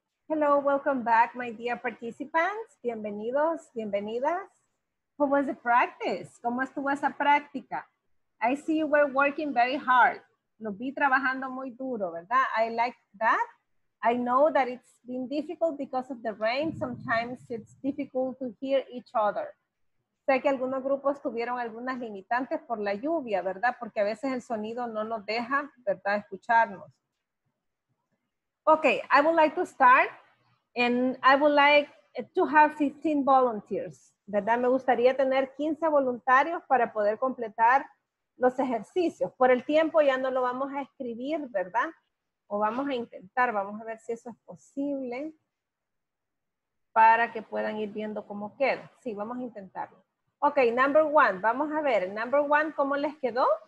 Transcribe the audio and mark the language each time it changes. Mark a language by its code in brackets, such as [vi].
[en] Hello, welcome back, my dear participants. [es] Bienvenidos, bienvenidas. [en] How was the practice? [es] ¿Cómo estuvo esa práctica? [en] I see you were working very hard. [es] Lo vi trabajando muy duro, ¿verdad? [en] I like that. I know that it's been difficult because of the rain. Sometimes it's difficult to hear each other. [es] Sé que algunos grupos tuvieron algunas limitantes por la lluvia, ¿verdad? Porque a veces el sonido no nos deja, ¿verdad? Escucharnos. [en] Okay, I would like to start, and I would like to have 15 volunteers. [es] ¿Verdad? Me gustaría tener 15 voluntarios para poder completar los ejercicios. Por el tiempo ya no lo vamos a escribir, ¿verdad? o vamos a intentar, vamos a ver si eso es posible para que puedan ir viendo cómo queda. Sí, vamos a intentarlo. Ok, [en] number one, [es] vamos a ver, [en] number one, [es] ¿cómo les quedó?